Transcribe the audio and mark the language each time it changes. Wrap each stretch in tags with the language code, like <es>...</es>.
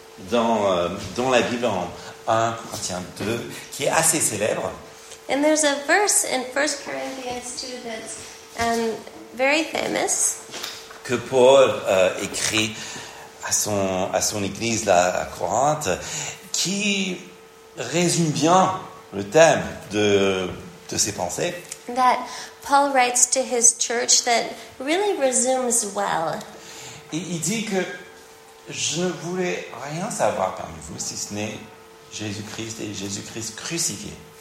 <fr>dans la Bible en 1 Corinthiens 2 qui est assez célèbre.</fr> <en>And there's a verse in 1 Corinthians 2 that's very famous.</en> <fr>Que Paul écrit à son église là, à Corinthe, qui résume bien le thème de ses pensées.</fr> <en>That Paul writes to his church that really resumes well.</en> <fr>Et il dit que je ne voulais rien savoir parmi vous si ce n'est Jésus-Christ et Jésus-Christ crucifié.</fr>